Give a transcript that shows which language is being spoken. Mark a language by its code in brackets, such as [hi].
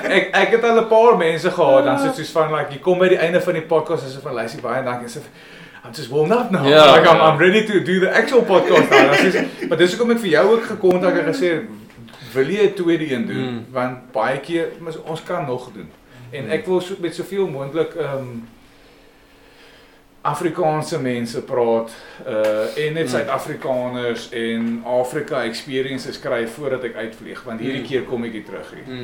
[af] Ek het al 'n paar mense gehad dan soos van like jy kom by die einde van die podcast asof van Lucy baie dankie asof [en] I'm just warmed up now. Yeah. Like I'm ready to do the actual podcast now. [af] Maar dis hoekom ek vir jou ook gekontak en gesê wil jy 'n tweede een doen want baie keer ons kan nog doen. En ek wil so met soveel moontlik Afrikaanse mense praat en net Suid-Afrikaners en Afrika experiences kry voordat ek uitvlieg want hierdie keer kom ek hier terug.